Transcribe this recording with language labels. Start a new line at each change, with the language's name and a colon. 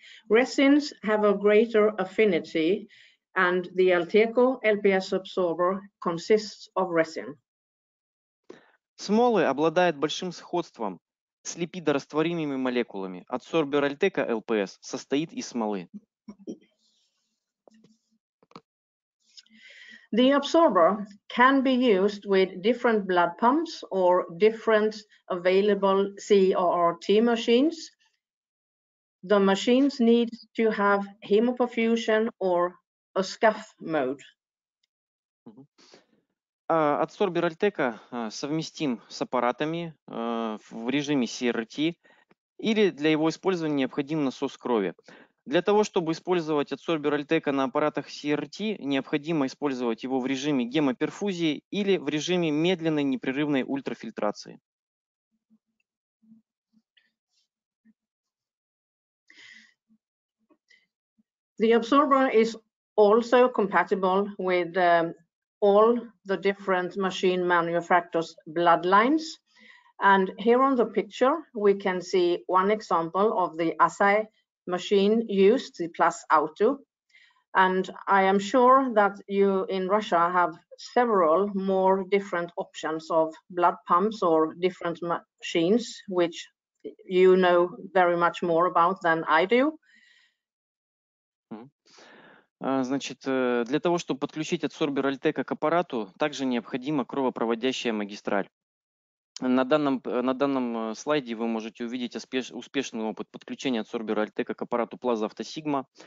English: Resins have a greater affinity, and the Alteco LPS absorber consists of resin.
Russian: Смолы обладают большим сходством с липидорастворимыми молекулами. Адсорбер Alteco LPS состоит из смолы.
English: The absorber can be used with different blood pumps or different available CRRT machines. The machines need to have hemoperfusion or a SCAF mode.
Russian: Адсорбер Альтека совместим с аппаратами в режиме CRRT или для его использования необходим насос крови. Для того, чтобы использовать адсорбер Альтека на аппаратах CRRT, необходимо использовать его в режиме гемоперфузии или в режиме медленной непрерывной ультрафильтрации.
English: The absorber is also compatible with all the different machine manufacturers' bloodlines. And here on the picture, we can see one example of the Asai machine used, the Plus Auto. And I am sure that you in Russia have several more different options of blood pumps or different machines, which you know very much more about than I do.
Russian: Значит, для того, чтобы подключить адсорбер Альтека к аппарату, также необходима кровопроводящая магистраль. На данном слайде вы можете увидеть успешный опыт подключения адсорбера Альтека к аппарату Plaza AutoSigma.